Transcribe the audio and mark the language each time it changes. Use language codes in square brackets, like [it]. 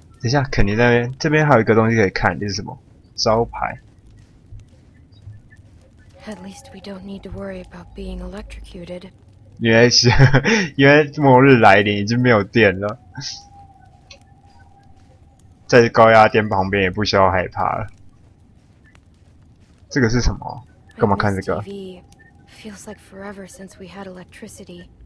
[zh] 等一下，肯尼那边，这边还有一个东西可以看，这是什么？招牌。 [en] At least we don't need to worry about being electrocuted. [zh] 原来是，原来末日来临已经没有电了，在高压电旁边也不需要害怕了。这个是什么？干嘛看这个 [en] ？TV feels like forever since we had electricity.